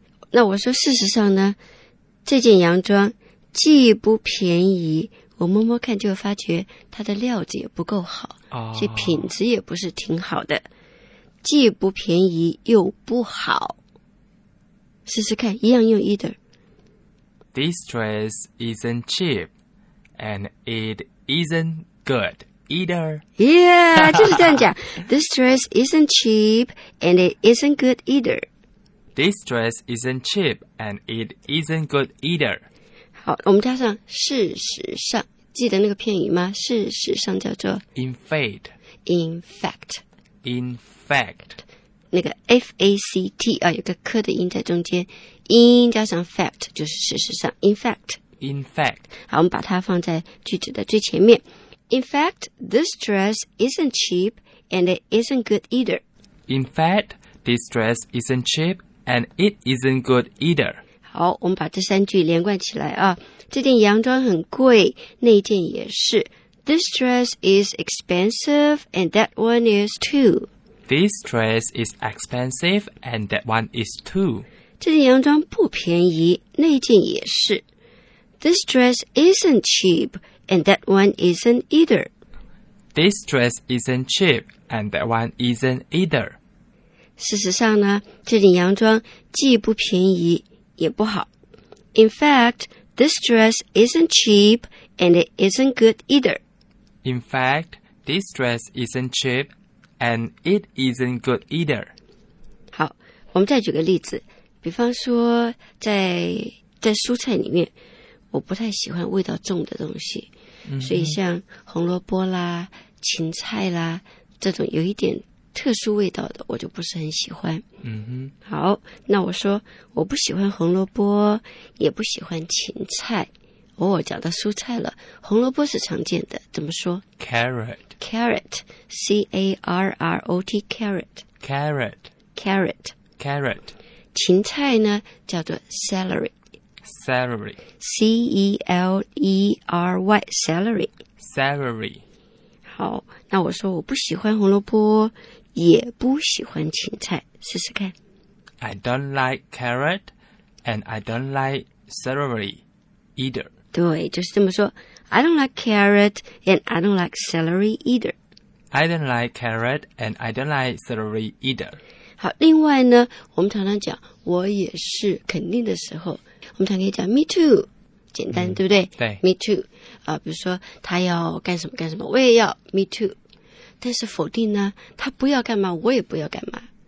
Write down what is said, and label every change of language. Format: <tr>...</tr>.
<zh>那我说事实上呢，这件洋装既不便宜我摸摸看就发觉它的料子也不够好、哦、所以品质也不是挺好的，既不便宜又不好。试试看，一样用 either。</zh> <en>This dress isn't cheap and it isn't good either. Yeah,</en> <zh>就是这样讲。</zh> <en>This dress isn't cheap and it isn't good either. This dress isn't cheap and it isn't good either.</en> <zh>好，我们加上事实上，记得那个片语吗？事实上叫做</zh> <en>In fact. In fact. In fact.</en> <zh>那个 F-A-C-T、啊、有个科的音在中间， in 加上 fact 就是事实上， in fact,</zh> <en>in fact.</en> <zh>好，我们把它放在句子的最前面。</zh> <en>In fact, this dress isn't cheap and it isn't good either. In fact, this dress isn't cheap and it isn't good either.</en> <zh>好，我们把这三句连贯起来啊。这件洋装很贵，那件也是。</zh> <en>This dress is expensive and that one is too This dress is expensive and that one is too.</en> <zh>这件洋装不便宜，那件也是。</zh> <en>This dress isn't cheap and that one isn't either. This dress isn't cheap and that one isn't either.</en> <zh>事实上呢，这件洋装既不便宜也不好。</zh> <en>In fact, this dress isn't cheap and it isn't good either. In fact, this dress isn't cheapAnd it isn't good either.</en> <zh>好，我们再举个例子，比方说在蔬菜里面，我不太喜欢味道重的东西、嗯、所以像红萝卜啦、芹菜啦这种有一点特殊味道的，我就不是很喜欢。嗯哼。好，那我说我不喜欢红萝卜，也不喜欢芹菜。我讲到蔬菜了，红萝卜是常见的，怎么说？</zh> <en>Carrot. Carrot, C-A-R-R-O-T, carrot. Carrot. Carrot. Carrot.</en> <zh>芹菜呢叫做 celery.</zh> <en>Celery. C-E-L-E-R-Y, celery. Celery.</en> <zh>好，那我说我不喜欢红萝卜，也不喜欢芹菜，试试看。</zh> <en>I don't like carrot, and I don't like celery either.</en> <zh>对，就是这么说。</zh> <en>I don't like carrot and I don't like celery either. I don't like carrot and I don't like celery either.</en> <zh>好，另外呢，我们常常讲我也是肯定的时候，我们常常可以讲</zh> <en>me too，</en> <zh>简单、嗯、对不对？对，</zh> <en>me too。</en> <zh>比如说他要干什么干什么，我也要 me too。但是否定呢，他不要干嘛，我也不要干嘛。</zh>